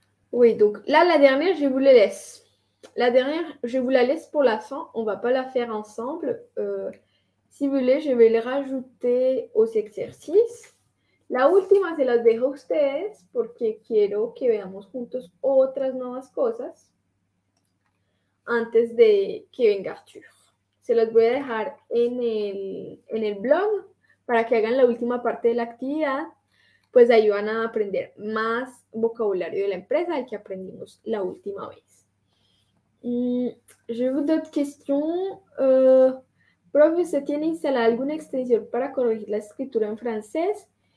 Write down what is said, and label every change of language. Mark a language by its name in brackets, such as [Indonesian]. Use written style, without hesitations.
[French] Oui, donc là, la dernière, je vous la laisse. La dernière, je vous la laisse pour la fin. On ne va pas la faire ensemble. Si vous voulez, je vais les rajouter aux exercices. [Spanish] La última se las dejo a ustedes porque quiero que veamos juntos otras nuevas cosas antes de que venga Arthur. Se las voy a dejar en el blog para que hagan la última parte de la actividad. Pues ayudan a aprender más vocabulario de la empresa del que aprendimos la última vez. [French] J'ai vu d'autres questions. [Spanish] Profe, ¿tiene instalada alguna extensión para corregir la escritura en francés?